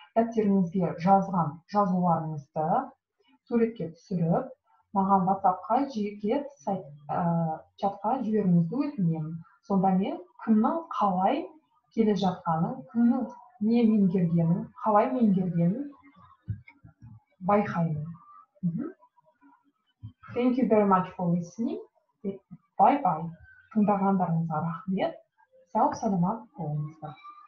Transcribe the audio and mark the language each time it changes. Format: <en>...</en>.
<kk>Дәптеріңізге жазған жазуларыңызды суретке түсіріп, маған WhatsApp-қа жеке сайт чатқа жіберіңізді өтінемін. Сонда мен кімнің қалай келе жатқанын, кімнің не меңгергенін, қалай меңгергенін байқаймын.</kk> <en>Thank you very much for listening. Bye-bye.</en> <kk>Тыңдағандарыңызға рахмет. Сау-саламат болыңыздар.</kk>